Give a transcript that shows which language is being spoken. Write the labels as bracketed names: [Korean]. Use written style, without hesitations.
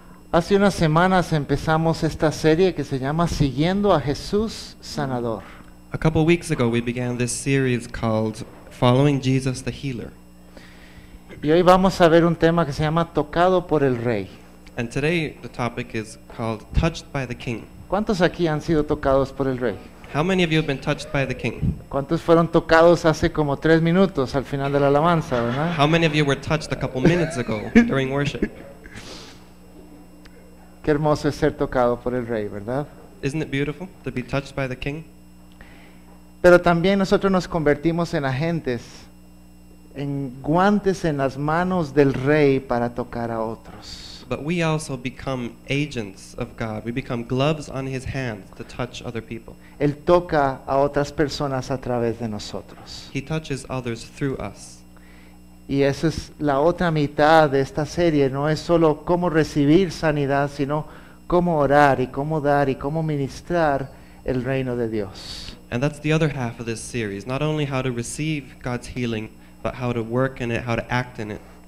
[Spanish] Hace unas semanas empezamos esta serie que se llama Siguiendo a Jesús Sanador. [English] A couple weeks ago we began this series called Following Jesus the Healer. [Spanish] Y hoy vamos a ver un tema que se llama Tocado por el Rey. [English] And today the topic is called Touched by the King. [Spanish] ¿Cuántos aquí han sido tocados por el Rey? [English] How many of you have been touched by the King? [Spanish] ¿Cuántos fueron tocados hace como tres minutos al final de la alabanza, verdad? [English] How many of you were touched a couple minutes ago during worship? [Spanish] Qué hermoso es ser tocado por el Rey, ¿verdad? [English] Isn't it beautiful to be touched by the King? [Spanish] Pero también nosotros nos convertimos en agentes, en guantes en las manos del Rey para tocar a otros. [English] But we also become agents of God. We become gloves on His hands to touch other people. [Spanish] Él toca a otras personas a través de nosotros. [English] He touches others through us. [Spanish] Y esa es la otra mitad de esta serie. No es solo cómo recibir sanidad, sino cómo orar y cómo dar y cómo ministrar el reino de Dios. [English] And that's the other half of this series. Not only how to receive God's healing, but how to work in it, how to act in it.